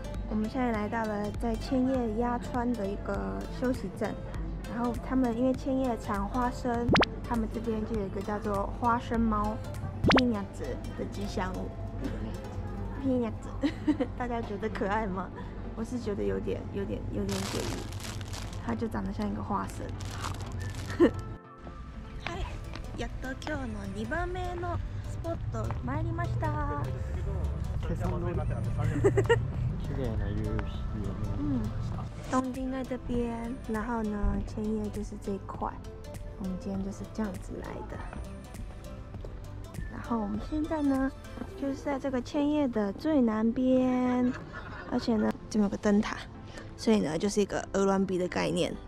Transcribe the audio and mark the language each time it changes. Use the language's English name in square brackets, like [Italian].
[Chinese] 我们现在来到了在千叶鸭川的一个休息站，然后他们因为千叶产花生，他们这边就有一个叫做花生猫ピーナッツ的吉祥物。ピーナッツ，大家觉得可爱吗？我是觉得有点诡异，它就长得像一个花生。 [Japanese] はい、やっと今日の二番目のスポット参りました。今朝の綺麗な夕日を。嗯， [Chinese] 东京在这边，然后呢，千叶就是这一块。我们今天就是这样子来的。然后，我们现在呢就是在这个千叶的最南边，而且呢这么个灯塔，所以呢就是一个鹅銮鼻的概念。